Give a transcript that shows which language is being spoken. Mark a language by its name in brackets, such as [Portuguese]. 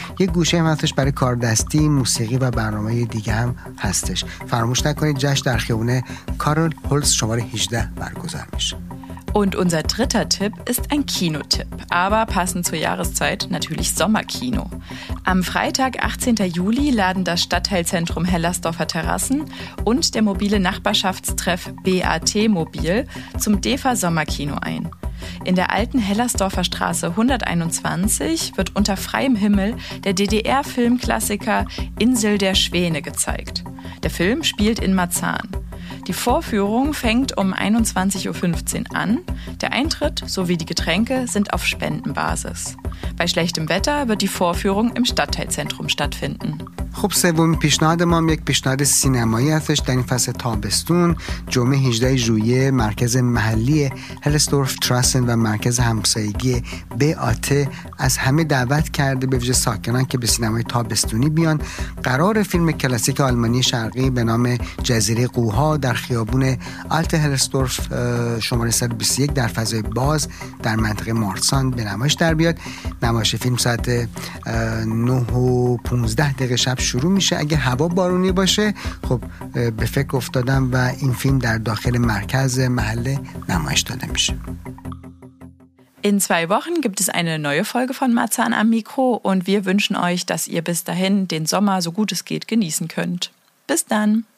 [Persian] یک گوشه هم هستش برای کار دستی، موسیقی و برنامه دیگه هم هستش. فراموش نکنید جشن در خیابون کارل هورتس شماره 18 برگزار میشه. [German] Und unser dritter Tipp ist ein Kinotipp, aber passend zur Jahreszeit natürlich Sommerkino. Am Freitag, 18. Juli, laden das Stadtteilzentrum Hellersdorfer Terrassen und der mobile Nachbarschaftstreff BAT Mobil zum DEFA-Sommerkino ein. In der alten Hellersdorfer Straße 121 wird unter freiem Himmel der DDR-Filmklassiker Insel der Schwäne gezeigt. Der Film spielt in Marzahn. Die Vorführung fängt um 21.15 Uhr an. Der Eintritt sowie die Getränke sind auf Spendenbasis. Bei schlechtem Wetter wird die Vorführung im Stadtteilzentrum stattfinden. [Persian] خب سومین پیشنهاد ما یک پیشنهاد سینمایی هستش در این فصل تابستون جمعه 18 ژوئیه مرکز محلی هلستورف تراسن و مرکز همسایگی بیاته از همه دعوت کرده به ویژه ساکنان که به سینمای تابستونی بیان. قرار فیلم کلاسیک آلمانی شرقی به نام جزیره قوها در خیابون آلت هلستورف شماره 121 در فضای باز در منطقه مارسان به نمایش در بیاد. نمایش فیلم ساعت 9:15 شروع میشه. اگه هوا بارونی باشه خب به فکر افتادم و این فیلم در داخل مرکز محله نمایش داده میشه. [German] In zwei Wochen gibt es eine neue Folge von Marzahn am Mikro und wir wünschen euch, dass ihr bis dahin den Sommer so gut es geht genießen könnt. Bis dann.